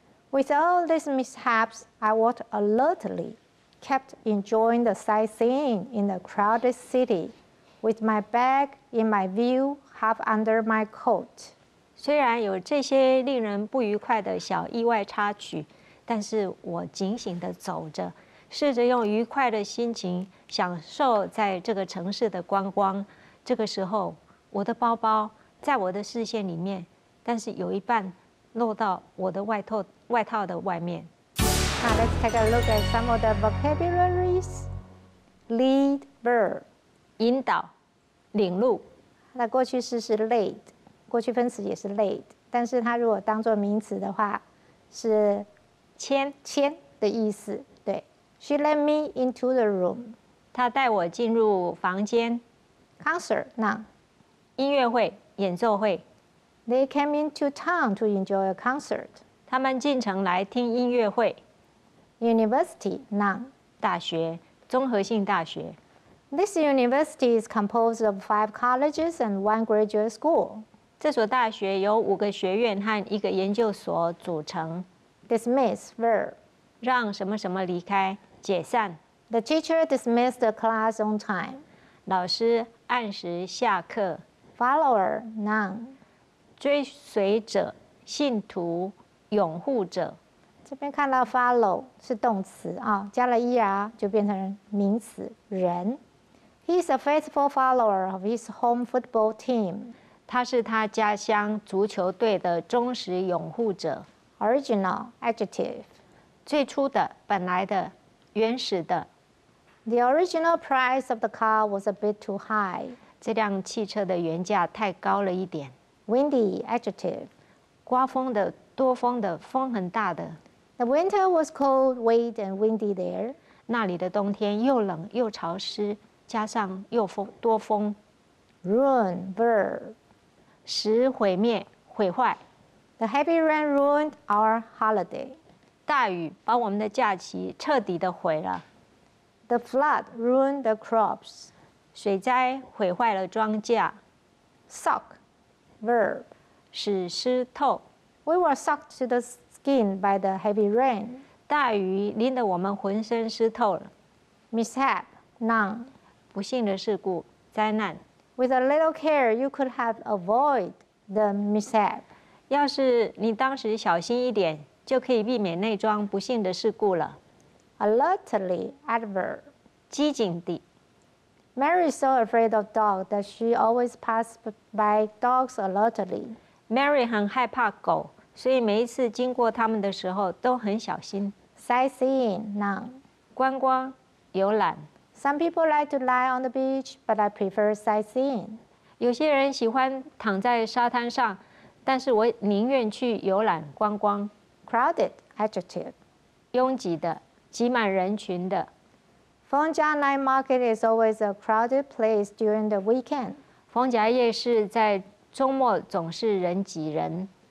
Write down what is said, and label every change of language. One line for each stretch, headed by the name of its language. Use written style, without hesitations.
English: With all these mishaps, I walked alertly, kept enjoying the sightseeing in the crowded city, with my bag in my view, half under my coat.
Chinese: 虽然有这些令人不愉快的小意外插曲，但是我警醒地走着。试着用愉快的心情享受在这个城市的观光。这个时候，我的包包在我的视线里面，但是有一半落到我的外套的外面。
English: Now let's take a look at some of the vocabularies. Lead verb.
Chinese: 引导，领路。那过去式是 lead， 过去分词也是 lead， 但是它如果当作名词的话，是牵的意思。
English: She led me into the room.
Chinese: 她带我进入房间。
English: Concert, noun.
Chinese: 音乐会，演奏会。
English: They came into town to enjoy a concert.
Chinese: 他们进城来听音乐会。
English: University, none.
Chinese: 大学，综合性大学。
English: This university is composed of 5 colleges and 1 graduate school.
Chinese: 这所大学由五个学院和一个研究所组成。
English: Dismiss, verb.
Chinese: 让什么什么离开，解散。
English: The teacher dismissed the class on time.
Chinese: 老师按时下课。
English: Follower, none.
Chinese: 追随者、信徒、拥护者。这边看到 follow 是动词啊，加了 er 就变成名词人。
English: He's a faithful follower of his home football team.
Chinese: 他是他家乡足球队的忠实拥护者。
English: Original adjective.
Chinese: 最初的、本来的、原始的。
English: The original price of the car was a bit too high.
Chinese: 这辆汽车的原价太高了一点。
English: Windy adjective.
Chinese: 刮风的、多风的、风很大的。
English: The winter was cold, wet, and windy there.
Chinese: 那里的冬天又冷又潮湿，加上又风多风。
English: Ruin, verb.
Chinese: 使毁灭、毁坏。
English: The heavy rain ruined our holiday.
Chinese: 大雨把我们的假期彻底的毁了。
English: The flood ruined the crops.
Chinese: 水灾毁坏了庄稼。
English: Soak, verb.
Chinese: 使湿透。
English: We were soaked to the skin by the heavy rain.
Chinese: 大雨淋得我们浑身湿透了。
English: Mishap, none.
Chinese: 不幸的事故，灾难。
English: With a little care, you could have avoided the mishap.
Chinese: 要是你当时小心一点，就可以避免那桩不幸的事故了。
English: Alertly, adverb.
Chinese: 机警地。
English: Mary is so afraid of dogs that she always passed by dogs alertly.
Chinese: Mary 很害怕狗，所以每一次经过他们的时候都很小心。
English: Sightseeing, none.
Chinese: 观光，游览。
English: Some people like to lie on the beach, but I prefer sightseeing.
Chinese: 有些人喜欢躺在沙滩上，但是我宁愿去游览观光。
English: Crowded, adjective.
Chinese: 拥挤的。挤满人群的。
English: 逢甲 night market is always a crowded place during the weekend.
Chinese: 逢甲夜市在周末总是人挤人。